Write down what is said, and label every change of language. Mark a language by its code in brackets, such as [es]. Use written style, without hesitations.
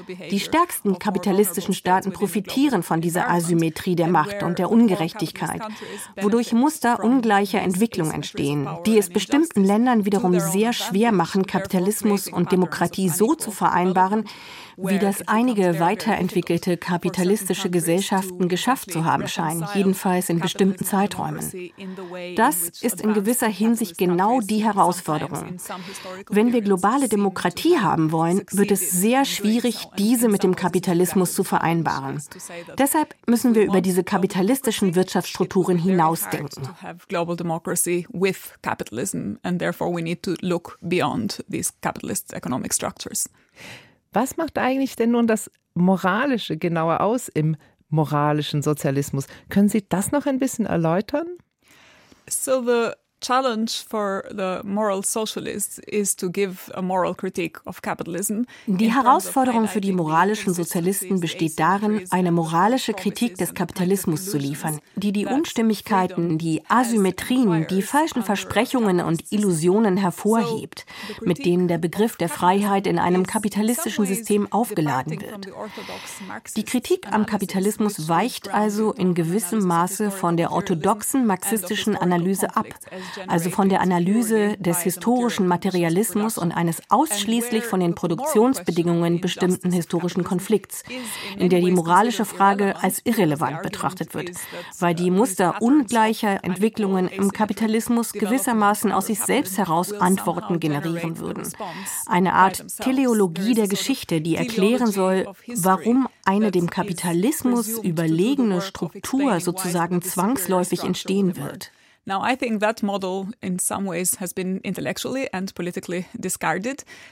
[de] Die stärksten kapitalistischen Staaten profitieren von dieser Asymmetrie der Macht und der Ungerechtigkeit, wodurch Muster ungleicher Entwicklung entstehen, die es bestimmten Ländern wiederum sehr schwer machen, Kapitalismus und Demokratie so zu vereinbaren, wie das einige weiterentwickelte kapitalistische Gesellschaften geschafft zu haben scheinen, jedenfalls in bestimmten Zeiträumen. Das ist in gewisser Hinsicht genau die Herausforderung. Wenn wir globale Demokratie haben wollen, wird es sehr schwierig, diese mit dem Kapitalismus zu vereinbaren. Deshalb müssen wir über diese kapitalistischen Wirtschaftsstrukturen hinausdenken. [en] Global Democracy with capitalism and therefore we need to look beyond these capitalist economic structures. [de] Was macht eigentlich denn nun das Moralische genauer aus im moralischen Sozialismus? Können Sie das noch ein bisschen erläutern? [en] So the challenge for the moral socialists is to give a moral critique of capitalism. [de] Die Herausforderung für die moralischen Sozialisten besteht darin, eine moralische Kritik des Kapitalismus zu liefern, die die Unstimmigkeiten, die Asymmetrien, die falschen Versprechungen und Illusionen hervorhebt, mit denen der Begriff der Freiheit in einem kapitalistischen System aufgeladen wird. Die Kritik am Kapitalismus weicht also in gewissem Maße von der orthodoxen marxistischen Analyse ab. Also von der Analyse des historischen Materialismus und eines ausschließlich von den Produktionsbedingungen bestimmten historischen Konflikts, in der die moralische Frage als irrelevant betrachtet wird, weil die Muster ungleicher Entwicklungen im Kapitalismus gewissermaßen aus sich selbst heraus Antworten generieren würden. Eine Art Teleologie der Geschichte, die erklären soll, warum eine dem Kapitalismus überlegene Struktur sozusagen zwangsläufig entstehen wird. [en] Now I think that model in some ways has been intellectually and politically discarded.